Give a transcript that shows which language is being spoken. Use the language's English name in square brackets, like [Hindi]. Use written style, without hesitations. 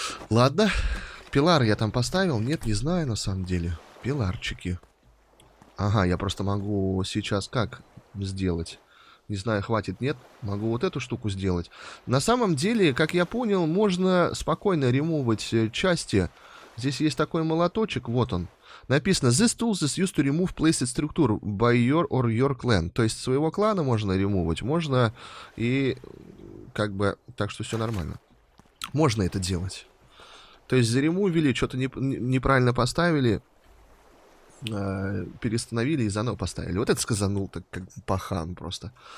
[Russian] Ладно, пилар я там поставил. Нет, не знаю на самом деле. Пиларчики. Ага, я просто могу сейчас как сделать? Не знаю, хватит, нет? Могу вот эту штуку сделать. На самом деле, как я понял, можно спокойно ремовывать части. Здесь есть такой молоточек, вот он. Написано, [English] this tool is used to remove placed structure by your or your clan. [Russian] То есть своего клана можно ремувать, можно и как бы, так что все нормально. Можно это делать. То есть заремувили, что-то неправильно поставили, перестановили и заново поставили. Вот это сказанул, так как пахан просто.